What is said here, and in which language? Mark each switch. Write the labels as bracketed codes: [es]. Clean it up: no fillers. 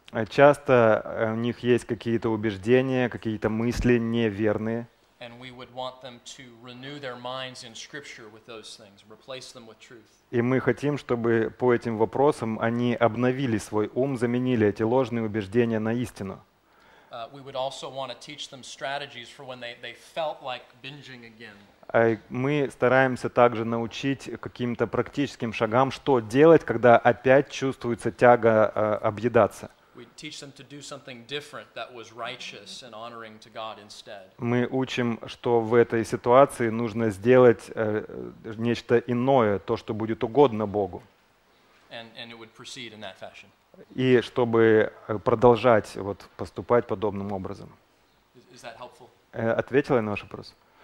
[ru] Часто у них есть какие-то убеждения, какие-то мысли неверные. [en] And we would want them to renew their minds in Scripture with those things, replace them with truth. [ru] И мы хотим, чтобы по этим вопросам они обновили свой ум, заменили эти ложные убеждения на истину. [en] We would also want to teach them strategies for when they felt like binging again. [ru] Мы стараемся также научить каким-то практическим шагам, что делать, когда опять чувствуется тяга объедаться. [en] We teach them to do something different that was righteous and honoring to God instead. [ru] Мы учим, что в этой ситуации нужно сделать нечто иное, то, что будет угодно Богу. [en] And it would proceed in that fashion. [ru] И чтобы продолжать вот, поступать подобным образом. [en] Is that helpful? [ru] Ответила я на ваш вопрос?